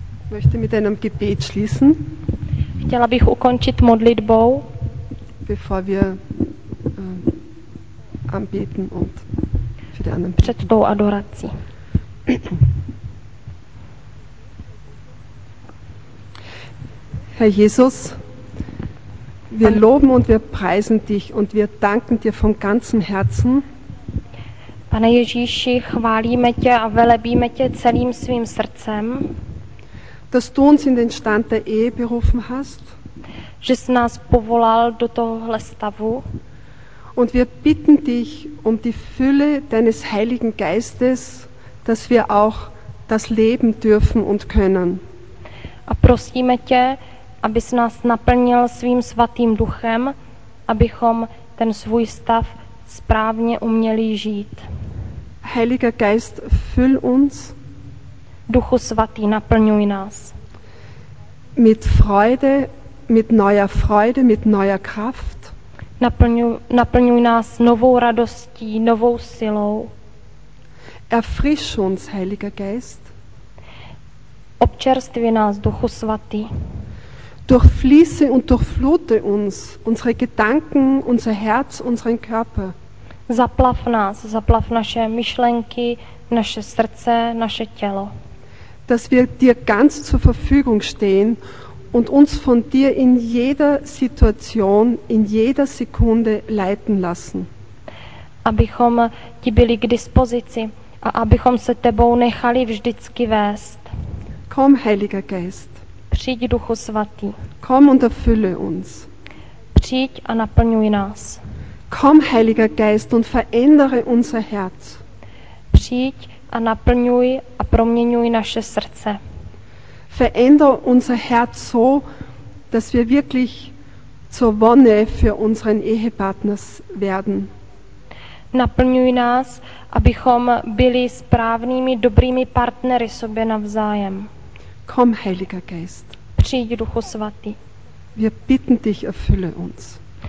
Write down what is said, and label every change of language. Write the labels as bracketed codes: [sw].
[de] Möchte mit einem Gebet schließen? [cs] Chtěla bych ukončit modlitbou. [de] Bevor wir anbeten und für die anderen [cs] před tou adorací. [de] Herr Jesus, wir loben und wir preisen dich und wir danken dir von ganzem Herzen. [cs] Pane Ježíši, chválíme tě a velebíme tě celým svým srdcem. [de] Dass du uns in den Stand der Ehe berufen hast. [cs] Že jsi nás povolal do tohohle stavu. [de] Und wir bitten dich um die Fülle deines Heiligen Geistes, dass wir auch das leben dürfen und können. [cs] A prosíme tě, abys nás naplnil svým svatým duchem, abychom ten svůj stav správně uměli žít. [de] Heiliger Geist, füll uns. [cs] Duchu svatý, naplňuj nás. [de] Mit Freude, mit neuer Freude, mit neuer Kraft. [cs] Naplňuj nás novou radostí, novou silou. [de] Erfrisch uns, Heiliger Geist. [cs] Občerstvi nás, Duchu svatý. [de] Durchfließe und durchflute uns, unsere Gedanken, unser Herz, unseren Körper. [cs] Zaplav nás, zaplav naše myšlenky, naše srdce, naše tělo. [de] Dass wir dir ganz zur Verfügung stehen und uns von dir in jeder Situation, in jeder Sekunde leiten lassen. [cs] Abychom ti byli k dispozici a abychom se tebou nechali vždycky vést. [de] Komm, Heiliger Geist. [cs] Přijď, Duchu svatý. [de] Komm und erfülle uns. [cs] Přijď a naplňuj nás. [de] Komm, Heiliger Geist, und verändere unser Herz. [cs] Přijď a naplňuj a proměňuj naše srdce. [de] Verändere unser Herz so, dass wir wirklich zur Wonne für unseren Ehepartner werden. [cs] Naplňuj nás, abychom byli správnými, dobrými partnery sobě navzájem. [de] Komm, Heiliger Geist. [cs] Přijď, Duchu svatý. [de] Wir bitten dich, erfülle uns.